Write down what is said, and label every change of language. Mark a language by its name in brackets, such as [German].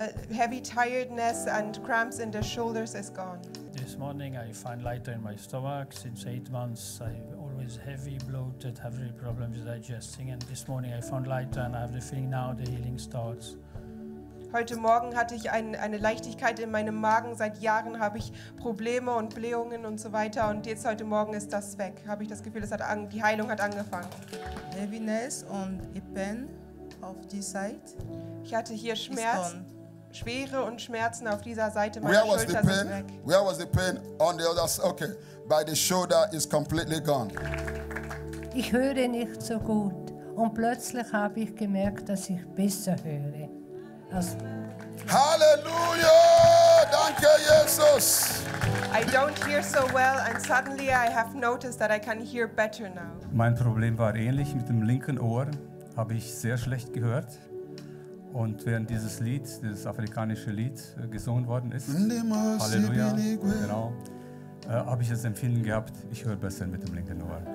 [English] Heavy tiredness and cramps in the shoulders is gone. This morning I find lighter in my stomach. Since 8 months I've always heavy, bloated, have really problems with digesting. And this morning I found lighter and I have the feeling now the healing starts. [German] Heute Morgen hatte ich eine Leichtigkeit in meinem Magen. Seit Jahren habe ich Probleme und Blähungen und so weiter. Und jetzt heute Morgen ist das weg. Habe ich das Gefühl, die Heilung hat angefangen. [English] Heaviness and pain of this side. [German] Ich hatte hier Schmerzen. Schwere und Schmerzen auf dieser Seite meiner [English] Where was [German] Schulter [English] the pain? [German] Sind weg. [English] Where was the pain on the other side? Okay, by the shoulder is completely gone. [German] Ich höre nicht so gut und plötzlich habe ich gemerkt, dass ich besser höre. Halleluja! Danke, Jesus! [English] I don't hear so well and suddenly I have noticed that I can hear better now. [German] Mein Problem war ähnlich. Mit dem linken Ohr habe ich sehr schlecht gehört. Und während dieses Lied, dieses afrikanische Lied, gesungen worden ist, Halleluja, genau, habe ich das Empfinden gehabt, ich höre besser mit dem linken Ohr.